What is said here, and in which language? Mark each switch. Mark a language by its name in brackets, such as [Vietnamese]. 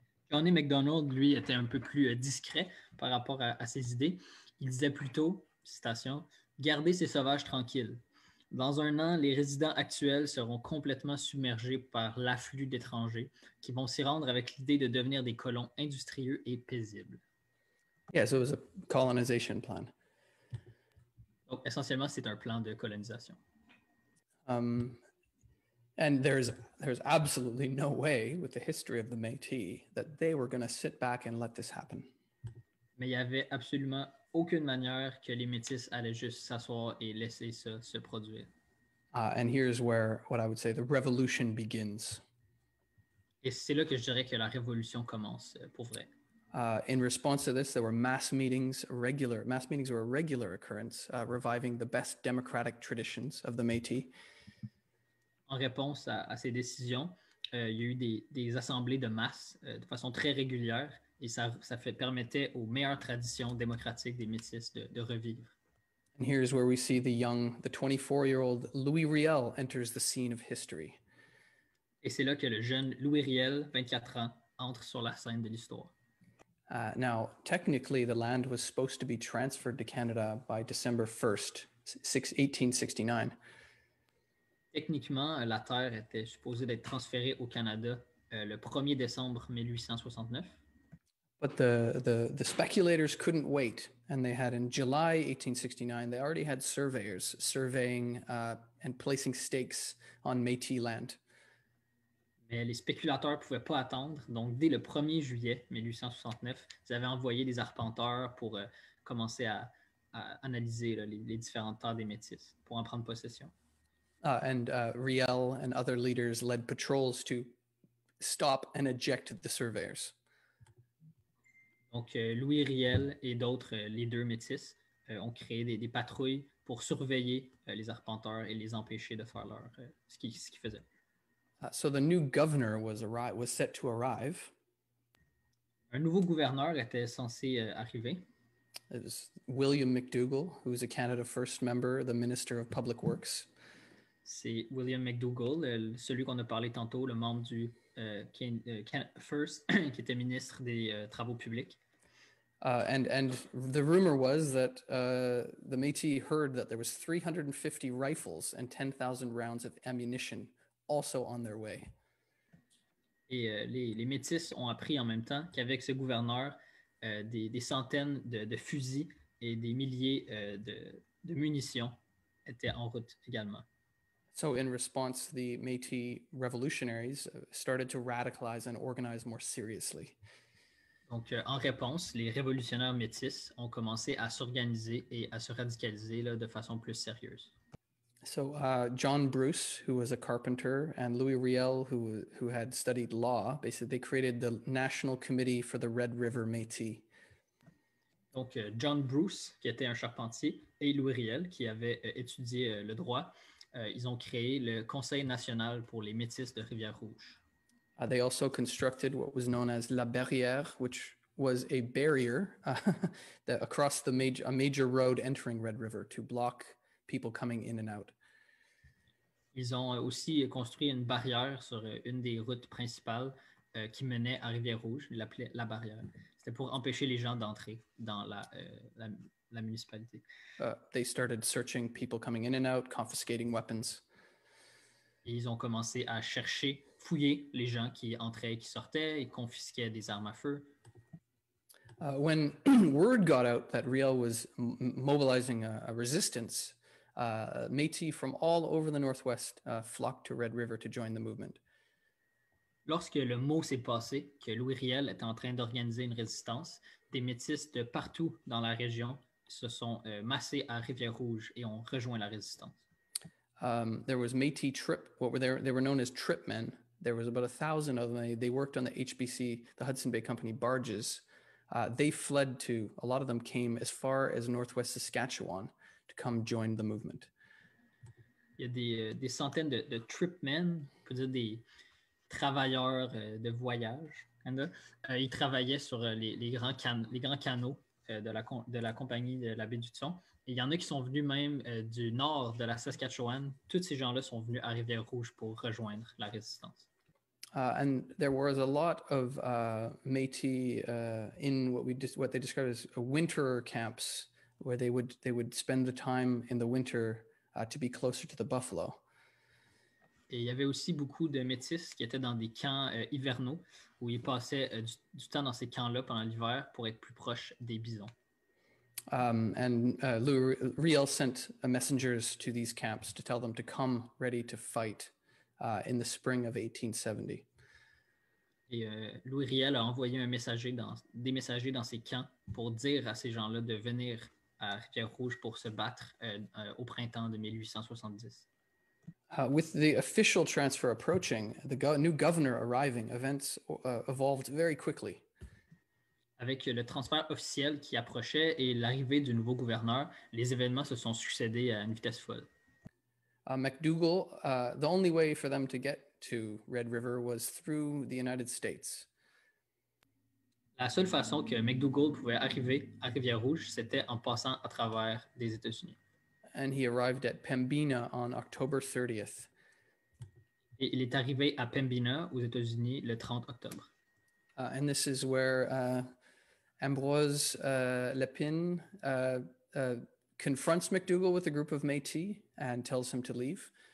[French] John A. MacDonald, lui, était un peu plus discret par rapport à ses idées. Il disait plutôt, citation, gardez ces sauvages tranquilles. Dans un an, les résidents actuels seront complètement submergés par l'afflux d'étrangers qui vont s'y rendre avec l'idée de devenir des colons industrieux et paisibles. [English] Yeah, so it was a colonization plan. [French] Donc, essentiellement, c'est un plan de colonisation. [English] And there's absolutely no way with the history of the Métis that they were going to sit back and let this happen. [French] Mais il y avait absolument aucune manière que les Métis allaient juste s'asseoir et laisser ça se produire. [English] And here's where what I would say the revolution begins. [French] Et c'est là que je dirais que la révolution commence pour vrai. [English] In response to this, there were mass meetings were a regular occurrence, reviving the best democratic traditions of the Métis. [French] En réponse à ces décisions, il y a eu des assemblées de masse de façon très régulière. Et ça permettait aux meilleures traditions démocratiques des Métis de revivre. [English] And here's where we see the 24-year-old Louis Riel enters the scene of history. [French] Et c'est là que le jeune Louis Riel, 24 ans, entre sur la scène de l'histoire. [English] Now, technically, the land was supposed to be transferred to Canada by December 1st, 1869. [French] Techniquement, la terre était supposée d'être transférée au Canada le 1er décembre 1869. [English] But the speculators couldn't wait, and they had in July 1869, they already had surveyors surveying and placing stakes on Métis land. [French] Mais les spéculateurs ne pouvaient pas attendre. Donc, dès le 1er juillet 1869, ils avaient envoyé des arpenteurs pour commencer à analyser là, les différentes terres des Métis, pour en prendre possession. [English] Riel and other leaders led patrols to stop and eject the surveyors. [French] Donc, Louis Riel et d'autres leaders Métis ont créé des patrouilles pour surveiller les arpenteurs et les empêcher de faire leur ce qu'ils faisaient. [English] So the new governor was set to arrive. [French] Un nouveau gouverneur était censé arriver. [English] It was William McDougall, who was a Canada First member, the Minister of Public Works. [French] C'est William McDougall, celui qu'on a parlé tantôt, le membre du Canada First, qui était ministre des Travaux Publics. [English] And the rumor was that the Métis heard that there was 350 rifles and 10,000 rounds of ammunition also on their way. [French] Et les Métis ont appris en même temps qu'avec ce gouverneur, des centaines de fusils et des milliers de munitions étaient en route également. [English] So in response, the Métis revolutionaries started to radicalize and organize more seriously. [French] Donc en réponse, les révolutionnaires Métis ont commencé à s'organiser et à se radicaliser là, de façon plus sérieuse. [English] So John Bruce, who was a carpenter, and Louis Riel, who had studied law, basically they created the National Committee for the Red River Métis. [French] Donc John Bruce, qui était un charpentier, et Louis Riel, qui avait étudié le droit, ils ont créé le Conseil national pour les Métis de Rivière-Rouge. [English] They also constructed what was known as La Barrière, which was a barrier that across the major road entering Red River to block people coming in and out. [French] Ils ont aussi construit une barrière sur une des routes principales qui menait à Rivière-Rouge, ils l'appelaient La Barrière. C'était pour empêcher les gens d'entrer dans la municipalité. [English] They started searching people coming in and out, confiscating weapons. [French] Et ils ont commencé à chercher, fouiller les gens qui entraient et qui sortaient et confisquaient des armes à feu. [English] When word got out that Riel was mobilizing a resistance, Métis from all over the Northwest flocked to Red River to join the movement. [French] Lorsque le mot s'est passé, que Louis Riel était en train d'organiser une résistance, des Métis de partout dans la région se sont massés à Rivière-Rouge et ont rejoint la résistance. [English] There was Métis trip. They were known as tripmen. There was about 1,000 of them. They worked on the HBC, the Hudson Bay Company barges. They fled to, a lot of them came as far as Northwest Saskatchewan to come join the movement. [French] Il y a des centaines de tripmen, on peut dire des travailleurs de voyage. Ils travaillaient sur les grands canaux de la compagnie de la baie du Thon. Et il y en a qui sont venus même du nord de la Saskatchewan. Tous ces gens-là sont venus à Rivière-Rouge pour rejoindre la résistance. [English] And there was a lot of Métis in what they describe as winter camps, where they would spend the time in the winter to be closer to the buffalo. [French] Et il y avait aussi beaucoup de Métis qui étaient dans des camps hivernaux où ils passaient du temps dans ces camps-là pendant l'hiver pour être plus proche des bisons. [English] Riel sent messengers to these camps to tell them to come ready to fight in the spring of 1870. [French] Et Louis Riel a envoyé des messagers dans ces camps pour dire à ces gens-là de venir à Rivière-Rouge pour se battre au printemps de 1870. [English] With the official transfer approaching, the new governor arriving, events evolved very quickly. [French] Avec le transfert officiel qui approchait et l'arrivée du nouveau gouverneur, les événements se sont succédés à une vitesse folle. [English] McDougall, the only way for them to get to Red River was through the United States. [French] La seule façon que McDougall pouvait arriver à Rivière-Rouge, c'était en passant à travers les États-Unis. [English] And he arrived at Pembina on October 30th. [French] Et il est arrivé à Pembina, aux États-Unis, le 30 octobre. [English] And this is where Ambroise Lépine confronts McDougall with a group of Métis and tells him to leave.